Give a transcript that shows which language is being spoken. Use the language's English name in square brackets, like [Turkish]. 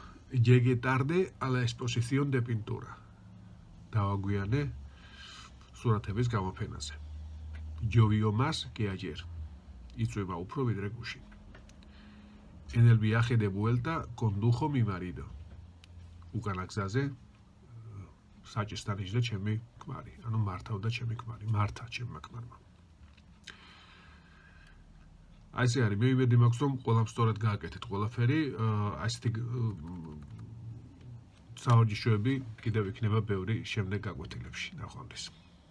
[Spanish] Llegué tarde a la exposición de pintura. [Georgian] დავაგვიანე სურათების გამოფენაზე. [Spanish] Llovió más que ayer. [Georgian] იწვება უფრო ვიდრე გუშინ. [Spanish] En el viaje de vuelta condujo mi marido. [Georgian] Უკანაგზაზე საჭესთან ისე ჩემი ქმარი, ანუ მართავდა ჩემი ქმარი, მართა ჩემმა ქმარმა. ასე არის, მე იმედი მაქვს, რომ ყველა სწორად გააკეთეთ ყველაფერი, ასეთი საოჯიშოები კიდევ იქნება ბევრი შემდეგ გაკვეთილებში, ნახვამდის.